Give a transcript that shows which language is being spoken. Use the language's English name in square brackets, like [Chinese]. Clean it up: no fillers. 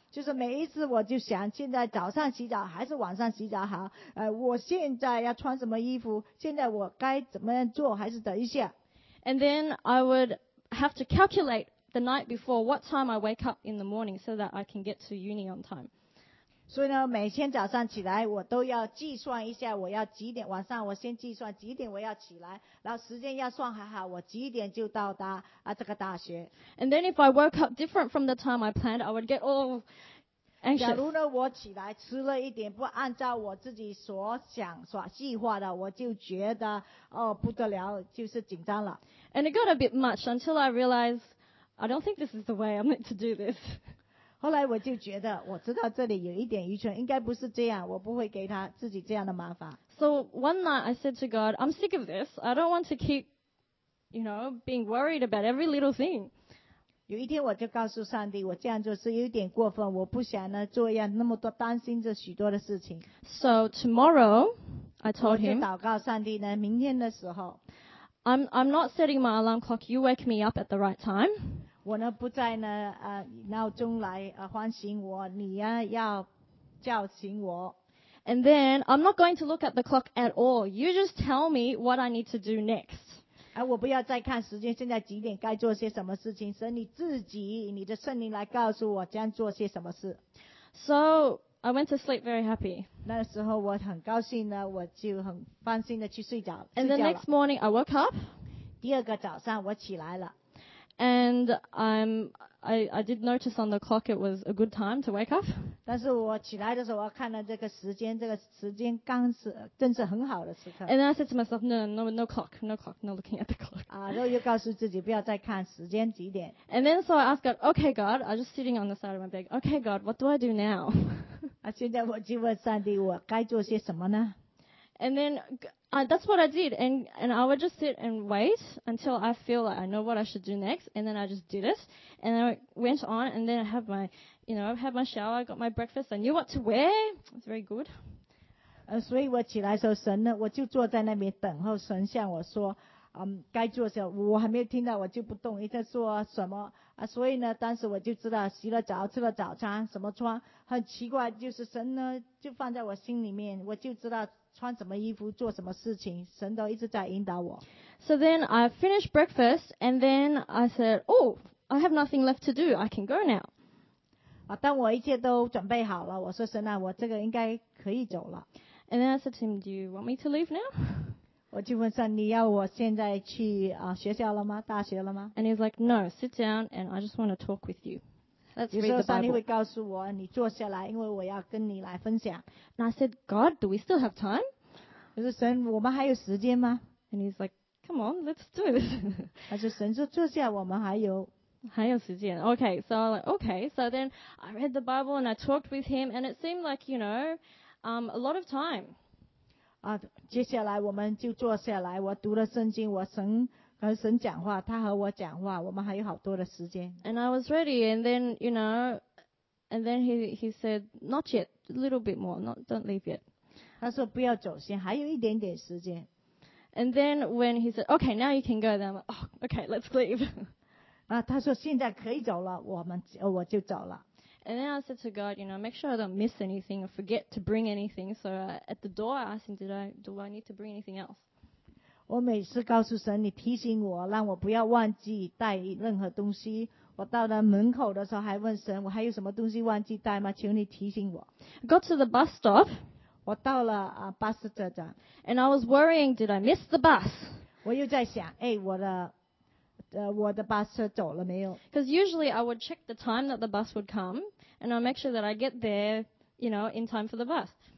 [Chinese] 就是每一次我就想现在早上洗澡还是晚上洗澡好我现在要穿什么衣服现在我该怎么样做还是等一下 [English] And then I would have to calculate the night before what time I wake up in the morning so that I can get to uni on time [Chinese] 所以呢，每天早上起来，我都要计算一下，我要几点晚上，我先计算几点我要起来，然后时间要算还好，我几点就到达啊这个大学。 [English] And then if I woke up different from the time I planned, I would get all anxious. [Chinese] 假如呢，我起来吃了一点，不按照我自己所想所计划的，我就觉得哦不得了，就是紧张了。 [English] And it got a bit much until I realized, I don't think this is the way I'm meant to do this. [Chinese] 后来我就觉得，我知道这里有一点愚蠢，应该不是这样，我不会给他自己这样的麻烦。 [English] So one night I said to God, I'm sick of this. I don't want to keep, you know, being worried about every little thing. [Chinese] 有一天我就告诉上帝，我这样做是有点过分，我不想呢做样那么多担心着许多的事情。 [English] So tomorrow, I told him, [Chinese] 我就祷告上帝呢，明天的时候。 [English] I'm not setting my alarm clock. You wake me up at the right time. [Chinese] 我呢不再呢闹钟来唤醒我，你呀要叫醒我。 [English] And then I'm not going to look at the clock at all. You just tell me what I need to do next. [Chinese] 我不要再看时间，现在几点该做些什么事情，是你自己，你的圣灵来告诉我将做些什么事。 [English] So I went to sleep very happy. [Chinese] 那时候我很高兴呢，我就很放心的去睡着了。 [English] And the next morning I woke up. [Chinese] 第二个早上我起来了。 [English] And I did notice on the clock it was a good time to wake up. [Chinese] 但是我起来的时候我看了这个时间刚是正是很好的时刻。 [English] And then I said to myself, no clock, no looking at the clock. [Chinese] 又告诉自己不要再看时间几点。 [English] And then so I asked God, okay God, I was just sitting on the side of my bed, okay God, what do I do now? [Chinese] 现在我就问上帝，我该做些什么呢？ [English] And then, that's what I did. And I would just sit and wait until I feel like I know what I should do next. And then I just did it. And I went on and then I have my, you know, I have my shower, I got my breakfast. I knew what to wear. It's very good. [Chinese] 所以我起来的时候，神呢，我就坐在那边等候神向我说，该做些。我还没有听到，我就不动，一直说什么。所以呢，当时我就知道洗了澡，吃了早餐，什么穿，很奇怪，就是神呢就放在我心里面，我就知道穿什么衣服，做什么事情，神都一直在引导我。 [English] So then I finished breakfast, and then I said, "Oh, I have nothing left to do. I can go now." [Chinese] 当我一切都准备好了，我说神啊，我这个应该可以走了。 [English] And then I said to him, "Do you want me to leave now?" [Chinese] 我就问上帝，你要我现在去学校了吗？大学了吗？ [English] And he's like, no, sit down, and I just want to talk with you. Let's read the Bible. [Chinese] 上帝会告诉我，你坐下来，因为我要跟你来分享。 [English] And I said, God, do we still have time? [Chinese] 我说神，我们还有时间吗？ [English] And he's like, come on, let's do it. [Chinese] 他说神说坐下，我们还有。还有时间。 [English] Okay, so I'm like, okay. So then I read the Bible and I talked with him, and it seemed like, you know, a lot of time. [Chinese] 接下来我们就坐下来，我读了圣经，我神和神讲话，他和我讲话，我们还有好多的时间。 [English] And I was ready, and then, you know, and then he said, not yet, a little bit more, not, don't leave yet. [Chinese] 他说不要走先，还有一点点时间。 [English] And then when he said, okay, now you can go, then I'm like, oh, okay, let's leave. [Chinese] 他说现在可以走了，我就走了。 [English] And then I said to God, you know, make sure I don't miss anything or forget to bring anything. So at the door, I asked him, do I need to bring anything else? [Chinese] 我每次告诉神，你提醒我，让我不要忘记带任何东西。我到了门口的时候，还问神，我还有什么东西忘记带吗？求你提醒我。 [English] Got to the bus stop. [Chinese] 我到了bus 车站。 [English] And I was worrying, did I miss the bus? [Chinese] 我又在想，我的 bus 车走了没有？ [English] Because usually I would check the time that the bus would come. And I'll make sure that I get there, you know, in time for the bus.